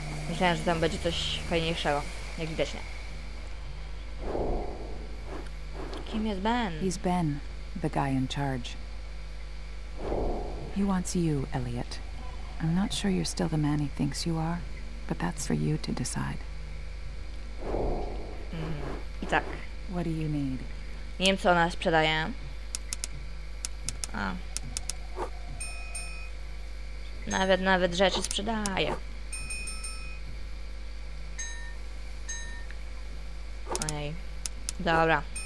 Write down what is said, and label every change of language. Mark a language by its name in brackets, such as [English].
[Polish] Myślałem, że tam będzie coś fajniejszego. Jak widać, nie. Kim jest Ben? [English] He's Ben, the guy in charge. He wants you, Elliot. I'm not sure you're still the man he thinks you are, but that's for you to decide. [Polish] I tak. [English] What do you need? [Polish] Nie wiem, co ona sprzedaje. A. Nawet rzeczy sprzedaje. Ej. Dobra.